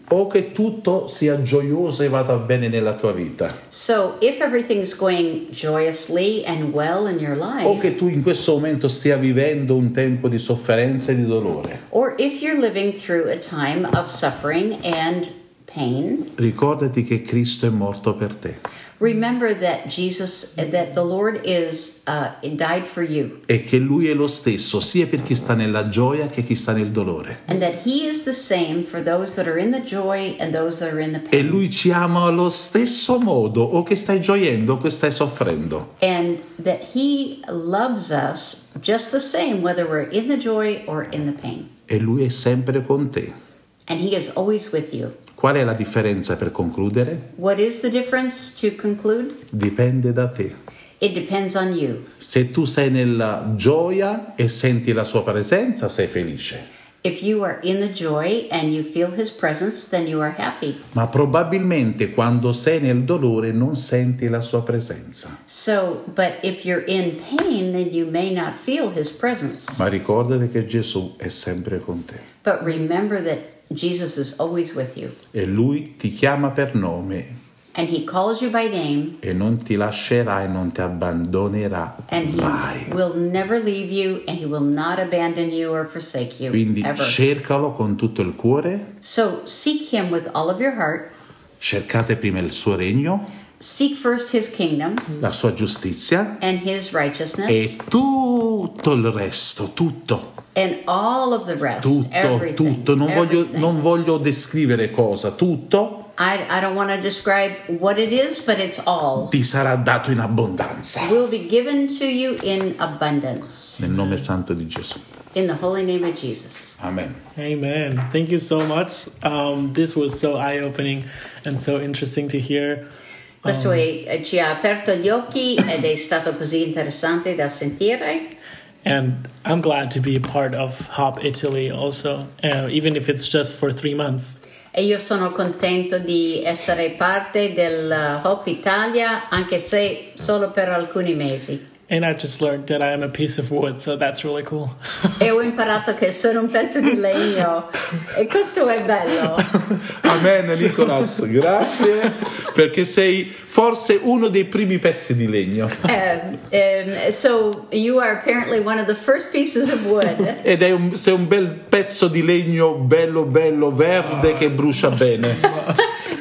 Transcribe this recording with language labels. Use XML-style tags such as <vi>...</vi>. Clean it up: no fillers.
<it>O che tutto sia gioioso e vada bene nella tua vita.</it> <en>So if everything is going joyously and well in your life.</en> <it>O che tu in questo momento stia vivendo un tempo di sofferenza e di dolore.</it> <en>Or if you're living through a time of suffering and pain.</en> <it>Ricordati che Cristo è morto per te.</it> <en>Remember that Jesus, that the Lord is died for you.</en> <it>E che lui è lo stesso, sia per chi sta nella gioia che chi sta nel dolore.</it> <en>And that he is the same for those that are in the joy and those that are in the pain.</en> <it>E lui ci ama allo stesso modo, o che stai gioiendo o che stai soffrendo.</it> <en>And that he loves us just the same whether we're in the joy or in the pain.</en> <it>E lui è sempre con te.</it> <en>And he is always with you.</en> <it>Qual è la differenza per concludere?</it> <en>What is the difference to conclude?</en> <it>Dipende da te.</it> <en>It depends on you.</en> <it>Se tu sei nella gioia e senti la sua presenza, sei felice.</it> <en>If you are in the joy and you feel his presence, then you are happy.</en> <it>Ma probabilmente quando sei nel dolore non senti la sua presenza.</it> <en>So, but if you're in pain, then you may not feel his presence.</en> <it>Ma ricordati che Gesù è sempre con te.</it> <en>But remember that Jesus is always with you.</en> <it>E lui ti chiama per nome.</it> <en>And he calls you by name.</en> <it>E non ti lascerà e non ti abbandonerà</it> <en>and</en> <it>mai.</it> <en>He will never leave you and he will not abandon you or forsake you.</en> <it>Quindi</it> <en>ever.</en> <it>Cercalo con tutto il cuore.</it> <en>So seek him with all of your heart.</en> <it>Cercate prima il suo regno.</it> <en>Seek first his kingdom.</en> <it>La sua giustizia.</it> <en>And his righteousness.</en> <it>E tutto il resto, tutto.</it> <en>And all of the rest,</en> <it>tutto,</it> <en>everything,</en> <it>tutto. Non voglio,</it> <en>everything.</en> <it>Non voglio descrivere cosa, tutto.</it> <en>I don't want to describe what it is, but it's all.</en> <it>Ti sarà dato in abbondanza.</it> <en>Will be given to you in abundance.</en> <it>Nel nome santo di Gesù.</it> <en>In the holy name of Jesus. Amen. Amen. Thank you so much. This was so eye-opening and so interesting to hear.</en> <it>Questo ci ha aperto gli occhi ed è stato così interessante da sentire.</it> <en>And I'm glad to be a part of Hop Italy also, even if it's just for 3 months.</en> <it>E io sono contento di essere parte del Hop Italia, anche se solo per alcuni mesi.</it> <en>And I just learned that I am a piece of wood, so that's really cool.</en> <it>E ho imparato che sono un pezzo di legno. E questo è bello. Amen, Nicolas. Grazie. Perché sei forse uno dei primi pezzi di legno.</it> <en>So you are apparently one of the first pieces of wood.</en> <it>Ed è un, sei un bel pezzo di legno bello, bello, verde, che brucia bene.</it>